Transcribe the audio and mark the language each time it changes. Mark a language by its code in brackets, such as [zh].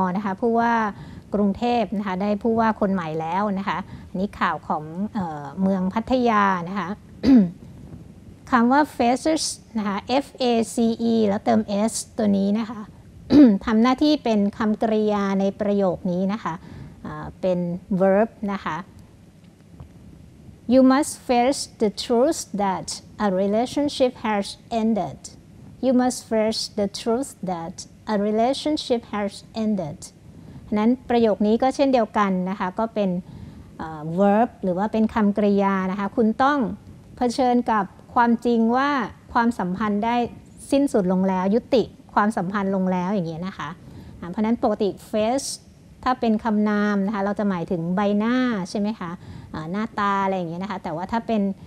[th] นะคะผู้ว่ากรุงเทพนะคะได้ผู้ว่าคนใหม่แล้วนะคะอันนี้ข่าวของ เมืองพัทยานะคะ คำว่า Faces นะคะ F-A-C-E แล้วเติม S ตัวนี้นะคะ ทำหน้าที่เป็นคำกริยาในประโยคนี้นะคะเป็น verb นะคะ [en] You must face the truth that a relationship has ended. You must face the truth that a relationship has ended. [th] นั้นประโยคนี้ก็เช่นเดียวกันนะคะก็เป็น verb หรือว่าเป็นคำกริยานะคะคุณต้องเผชิญกับความจริงว่าความสัมพันธ์ได้สิ้นสุดลงแล้วยุติความสัมพันธ์ลงแล้วอย่างเงี้ยนะคะเพราะนั้นปกติ face ถ้าเป็นคำนามนะคะเราจะหมายถึงใบหน้าใช่ไหมคะหน้าตาอะไรอย่างเงี้ยนะคะแต่ว่าถ้าเป็น